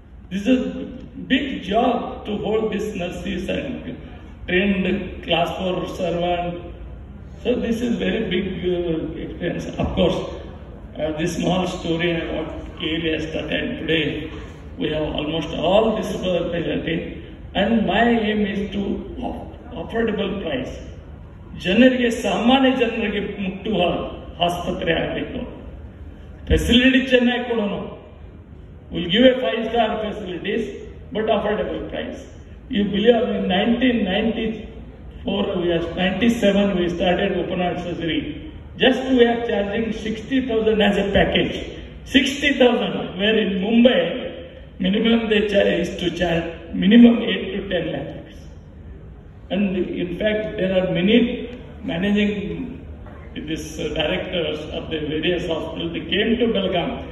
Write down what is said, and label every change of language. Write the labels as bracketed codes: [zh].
[en] This is a big job to hold this nurses and trained class 4 servant. So this is very big experience. Of course, this small story and what KLA has done, and today we have almost all this facility. And my aim is to affordable price. [kn] ಜನರಿಗೆ ಸಾಮಾನ್ಯ ಜನರಿಗೆ ಮುಟ್ಟುವ ಆಸ್ಪತ್ರೆ ಆಗಬೇಕು. Facility ಚೆನ್ನಾಗಿ ಕೊಡೋಣ, [en] Will give a 5-star facilities but affordable price. You believe in 1994 we started open heart surgery. Just we are charging 60,000 as a package. 60,000, where in Mumbai, minimum they charge is to charge minimum 8 to 10 lakhs. And in fact, there are many managing directors of the various hospitals. They came to Belgaum.